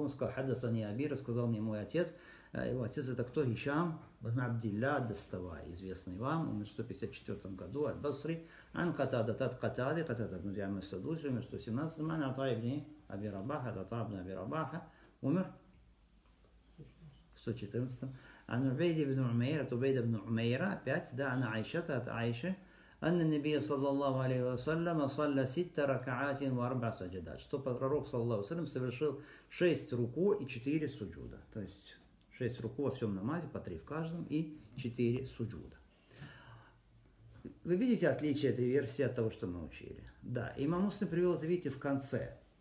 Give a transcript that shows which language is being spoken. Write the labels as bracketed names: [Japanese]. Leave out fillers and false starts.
[Russian] Он сказал, хаддасани Аби, рассказал мне мой отец. Его отец это кто? Хишам, ибн Абдилля, Адастава, известный вам, умер в 154-м году, от Басри, ан Катада, тат Катады, Катада, ибн Диамы Садуси, умер в 117-м, ан Атай ибн Аби Рабаха, Атай ибн Аби Рабаха, умер. 114-м. [Arabic] عن عبيد بن عميرة عبيد بن عميرة بيت دا عن عائشة عائشة أن النبي صلى الله عليه وسلم صلى ست ركعات وأربع سجدات. [Russian] что пророк [Arabic] صلى الله عليه وسلم [Russian] совершил шесть руку и четыре суджуда. То есть шесть руку во всем намазе, по три в каждом и четыре суджуда. Вы видите отличие этой версии от того, что мы учили? Да. Имам Муслим привел это, видите, в конце.